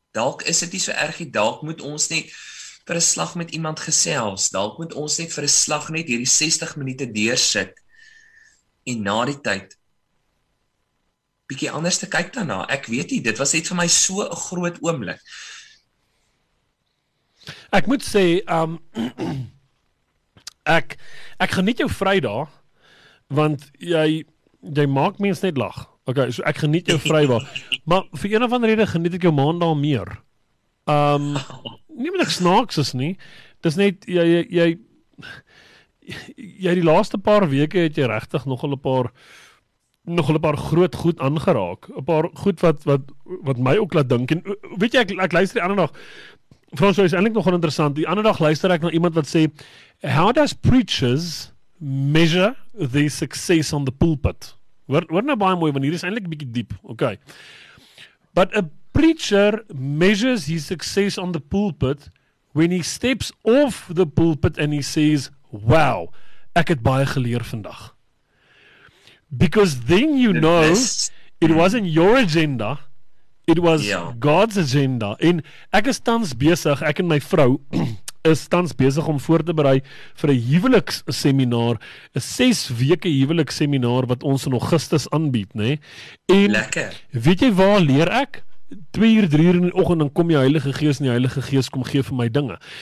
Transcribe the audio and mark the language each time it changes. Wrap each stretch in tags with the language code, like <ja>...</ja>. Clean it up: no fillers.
<af>Dalk is dit nie so erg, dalk moet ons net vir een slag met iemand gesels, dalk moet ons net vir een slag net hierdie 60 minute deursit, en na die tyd, bietjie anders te kyk daarna, ek weet nie, dit was net vir my so 'n groot oomblik. Ek moet sê, ek geniet jou Vrydag, want jy maak mens net lag. Ok, so ek geniet jou Vrydag, maar vir een of ander rede geniet ek jou Maandag meer. Nie met ek snaaks is nie, dit is net, jy die laaste paar weke het jy regtig nogal een paar groot goed aangeraak, een paar goed wat my ook laat dink, en weet jy, ek luister die ander dag, Frans, is eindelijk nogal interessant, die ander dag luister ek na iemand wat sê,</af> <en>how does preachers measure their success on the pulpit?</en> <af>Word nou baie mooi, want hier is eindelijk bietjie diep, ok.</af> <en>But a preacher measures his success on the pulpit when he steps off the pulpit and he says, wow,</en> <af>ek het baie geleer vandag.</af> <en>Because then you know, it wasn't your agenda, it was God's agenda.</en> <af>En ek is tans besig, ek en my vrou is tans besig om voor te berei vir 'n huweliks seminar, 'n 6 weke huweliks seminar wat ons in Augustus aanbied, nê? En lekker. Weet jy waar leer ek? 2:00, 3:00 in die oggend, dan kom die Heilige Gees en die Heilige Gees kom gee vir my dinge.</af>